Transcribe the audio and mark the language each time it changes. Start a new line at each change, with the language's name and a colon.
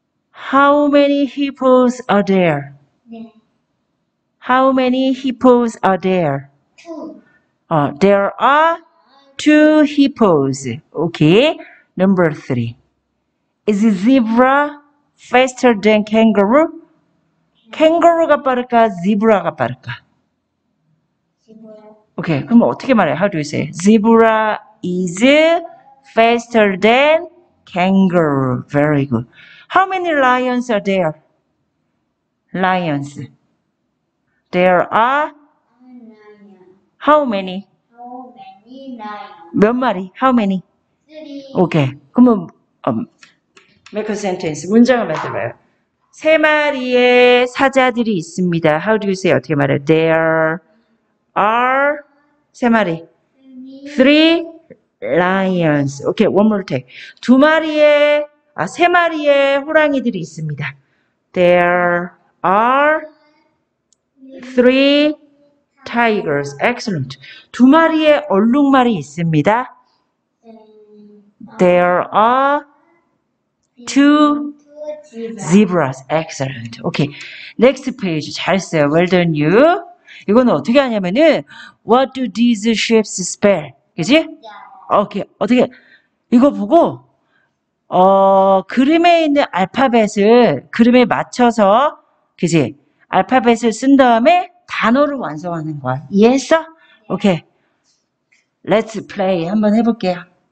English: How many hippos are there? How many hippos are there? Two. There are two hippos. Okay. Number three. Is zebra faster than kangaroo?
Korean: Kangaroo가 빠를까? Zebra가 빠를까? Okay, 그럼 어떻게 말해?
English: How do you say? Zebra is faster than kangaroo. Very good. How many lions are there? Lions. There are? How many? How many lions?
Korean: 몇 마리?
English: How many? Three. Okay, 그럼 make a sentence.
Korean: 문장을 만들어요. 세 마리의 사자들이 있습니다.
English: How do you say?
Korean: 어떻게 말해?
English: There are
Korean: 세 마리.
English: Three lions. Okay, one more take.
Korean: 두 마리의, 아, 세 마리의 호랑이들이 있습니다.
English: There are three tigers. Excellent.
Korean: 두 마리의 얼룩말이 있습니다.
English: There are two zebras. Excellent. Okay. Next page.
Korean: 잘 써요.
English: Well done, you.
Korean: 이건 어떻게 하냐면은
English: What do these shapes spell?
Korean: 그지? 오케이. 어떻게 이거 보고 그림에 있는 알파벳을 그림에 맞춰서 그지? 알파벳을 쓴 다음에 단어를 완성하는 거야. 이해했어? 오케이.
English: Let's play
Korean: 한번 해볼게요.